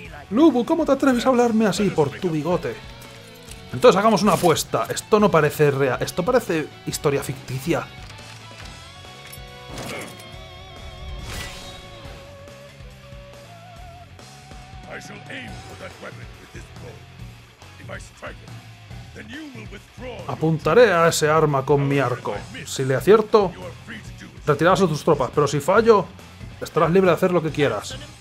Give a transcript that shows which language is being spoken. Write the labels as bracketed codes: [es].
[es] Lu Bu, ¿cómo te atreves a hablarme así por tu bigote? Entonces hagamos una apuesta. Esto no parece real. Esto parece historia ficticia. [en] I shall aim for that weapon with this bow. If I strike it, then you will withdraw. [es] Apuntaré a ese arma con mi arco. Si le acierto, retirarás a tus tropas. Pero si fallo, estarás libre de hacer lo que quieras.